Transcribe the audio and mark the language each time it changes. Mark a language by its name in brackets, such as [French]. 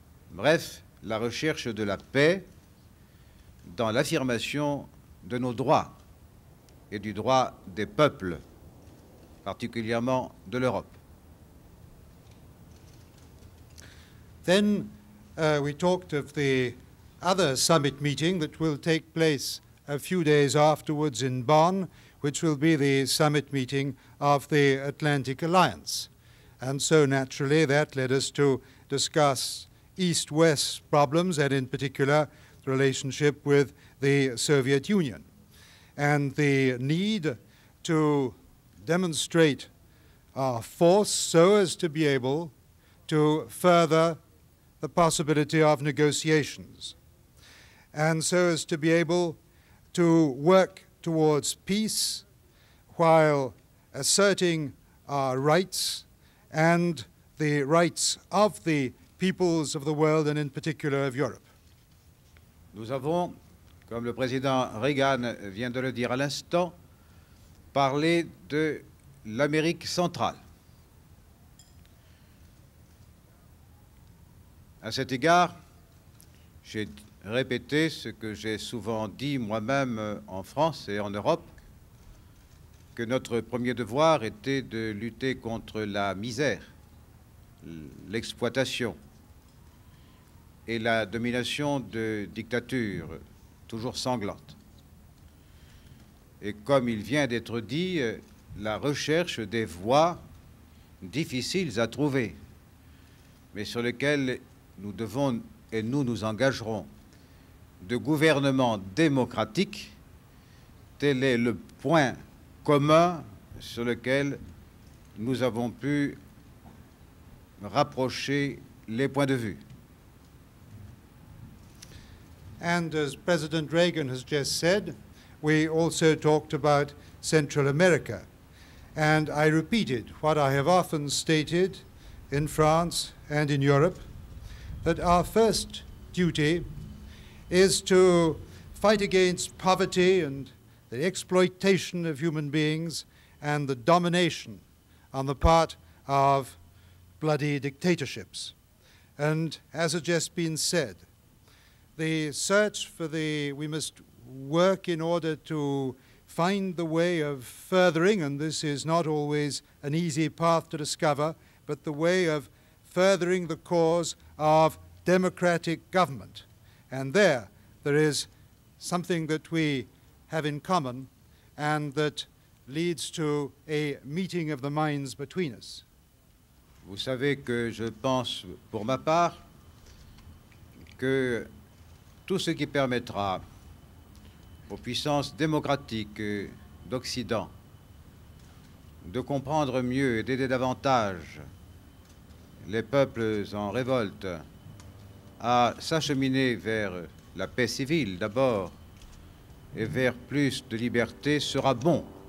[French] Bref, la recherche de la paix dans l'affirmation de nos droits et du droit des peuples, particulièrement de l'Europe. [English] Then we talked of the other summit meeting that will take place a few days afterwards in Bonn, which will be the summit meeting of the Atlantic Alliance. And so naturally that led us to discuss East-West problems and in particular the relationship with the Soviet Union and the need to demonstrate our force so as to be able to further the possibility of negotiations and so as to be able to work towards peace while asserting our rights and the rights of the peoples of the world and in particular of Europe. [French] Nous avons, comme le président Reagan vient de le dire à l'instant, parlé de l'Amérique centrale. À cet égard, j'ai répété ce que j'ai souvent dit moi-même en France et en Europe, que notre premier devoir était de lutter contre la misère, l'exploitation et la domination de dictatures toujours sanglantes. Et comme il vient d'être dit, la recherche des voies difficiles à trouver, mais sur lesquelles nous devons et nous nous engagerons, de gouvernement démocratique, tel est le point commun sur lequel nous avons pu rapprocher les points de vue. [English] And as President Reagan has just said, we also talked about Central America. And I repeated what I have often stated in France and in Europe, that our first duty is to fight against poverty and the exploitation of human beings and the domination on the part of bloody dictatorships. And as has just been said, the search for the, we must work in order to find the way of furthering, and this is not always an easy path to discover, but the way of furthering the cause of democratic government. And there, there is something that we have in common and that leads to a meeting of the minds between us. [French] Vous savez que je pense, pour ma part, que tout ce qui permettra aux puissances démocratiques d'Occident de comprendre mieux et d'aider davantage les peuples en révolte à s'acheminer vers la paix civile d'abord et vers plus de liberté sera bon.